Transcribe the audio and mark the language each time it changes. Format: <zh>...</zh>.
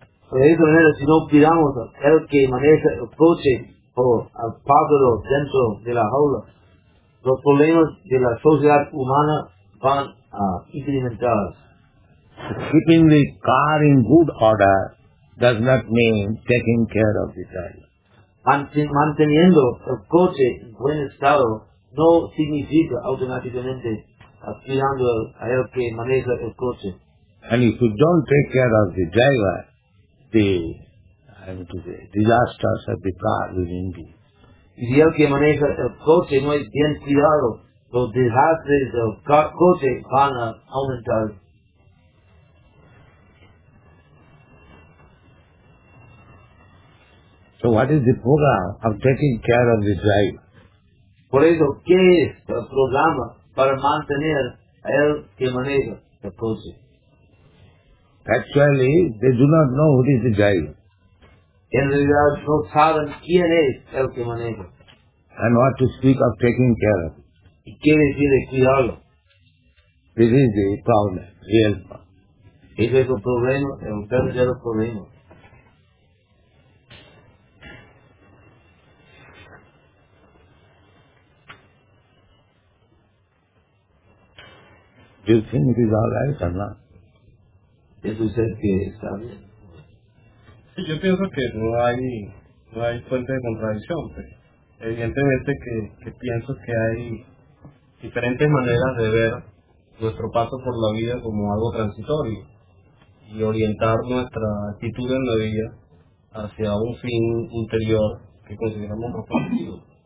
<es>Por esa manera, si no cuidamos el que maneja el coche o al pájaro dentro de la jaula, los problemas de la sociedad humana van a incrementarse.</es> <en>Keeping the car in good order does not mean taking care of the driver.</en> <es>Manteniendo el coche en buen estado no significa automáticamente cuidando a él que maneja el coche.</es> <en>And if you don't take care of the driver, the disasters of the car will increase.</en> <es>Si el que maneja el coche no es bien cuidado, los desastres del coche van a aumentar.</es> <en>So what is the program of taking care of the driver?</en> <es>Por eso, ¿qué es el programa para mantener a él que maneja el coche?</es> <en>Actually, they do not know who is the driver.</en> <es>En realidad, no saben quién es el que maneja.</es> <en>And what to speak of taking care of.</en> <es>¿Y qué decir de cuidarlo?</es> <en>This is the problem, real problem.</en> <es>Ese es el problema, el verdadero problema.</es> <en>Do you think it is all right or not?</en> <es>¿Es usted que está bien? Sí, yo pienso que no hay fuente de contradicción. Pero evidentemente que pienso que hay diferentes maneras de ver nuestro paso por la vida como algo transitorio y orientar nuestra actitud en la vida hacia un fin interior que consideramos propósito.</es>